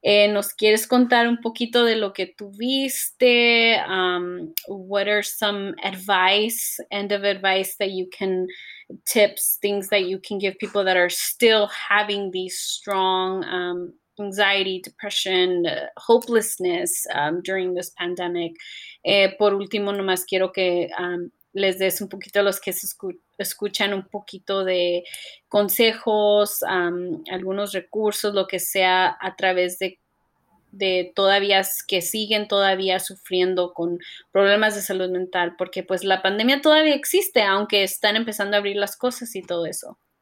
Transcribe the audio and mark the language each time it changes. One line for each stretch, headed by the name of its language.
Spanish: ¿Nos quieres contar un poquito de lo que tuviste?
English: What are some advice, end of advice that you can, tips, things that you can give people that are still having these strong anxiety, depression, hopelessness during this pandemic?
Spanish: Por último, nomás quiero que les des un poquito a los que se escuchan un poquito de consejos, algunos recursos, lo que sea, a través de todavía que siguen todavía sufriendo con problemas de salud mental, porque pues la pandemia todavía existe, aunque están empezando a abrir las cosas y todo eso.